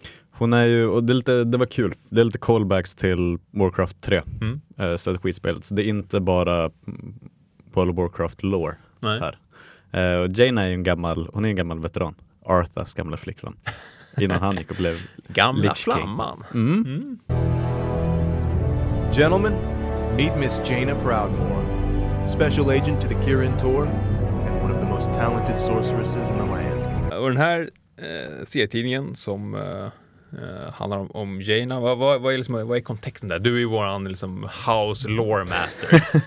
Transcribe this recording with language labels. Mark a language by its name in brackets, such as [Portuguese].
[Swedish] Hon är ju, och det var kul, det är lite callbacks till Warcraft 3, strategispelet. Så det är inte bara World of Warcraft lore. Nej. Här. Och Jaina är ju en gammal veteran, Arthas gamla flickvän, innan han gick och blev gamla Lich flamman. [English] King. Mm. Gentlemen, meet Miss Jaina Proudmoore, special agent to the Kirin Tor, and one of the most talented sorceresses in the land. [Swedish] Och den här serietidningen som handlar om Jaina, vad är kontexten där? Du är ju våran liksom [English] house lore master.